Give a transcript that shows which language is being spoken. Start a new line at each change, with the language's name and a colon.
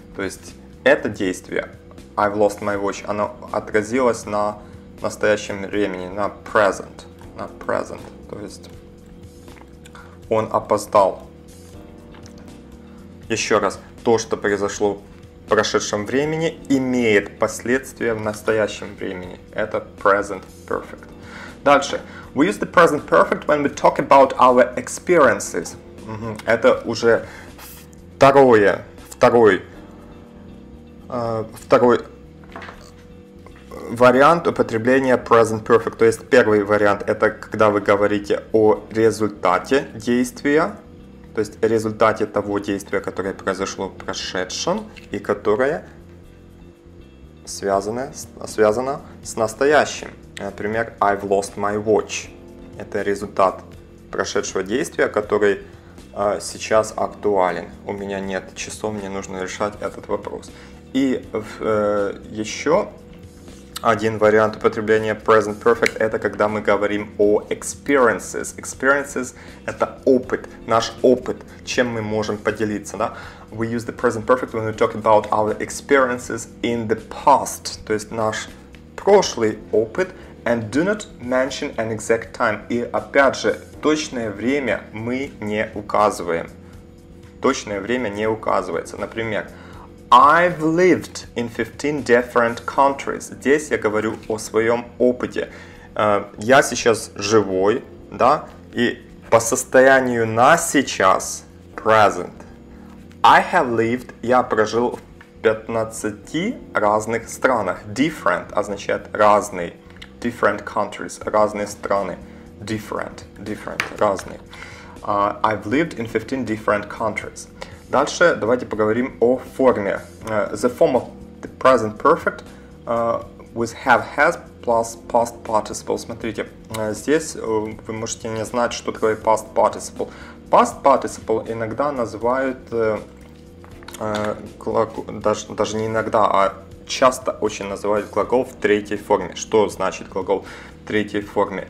Russian: То есть это действие, I've lost my watch, оно отразилось на настоящем времени, на present. На present. То есть он опоздал. Еще раз. то, что произошло в прошедшем времени, имеет последствия в настоящем времени. Это present perfect. Дальше.
English: We use the present perfect when we talk about our experiences.
Russian: Угу. Это уже второй вариант употребления present perfect. То есть первый вариант — это когда вы говорите о результате действия, то есть результате того действия, которое произошло в прошедшем и которое связано с настоящим.
English: Например, I've lost my watch.
Russian: Это результат прошедшего действия, который сейчас актуален. У меня нет часов, мне нужно решать этот вопрос. И еще один вариант употребления present perfect – это когда мы говорим о experiences. Experiences – это опыт, наш опыт, чем мы можем поделиться. Да?
English: We use the present perfect when we talk about our experiences in the past.
Russian: То есть наш прошлый опыт.
English: And do not mention an exact time.
Russian: И опять же, точное время мы не указываем. Точное время не указывается.
English: Например, I've lived in 15 different countries.
Russian: Здесь я говорю о своем опыте. Я сейчас живой, да, и по состоянию на сейчас, present, I have lived, я прожил в 15 разных странах. Different означает разный. Different countries, разные страны.
English: Different, разные. I've lived in 15 different countries.
Russian: Дальше давайте поговорим о форме.
English: The form of the present perfect with have, has plus past participle.
Russian: Смотрите, здесь вы можете не знать, что такое past participle. Past participle иногда называют, даже не иногда, а часто очень называют глагол в третьей форме. Что значит глагол в третьей форме?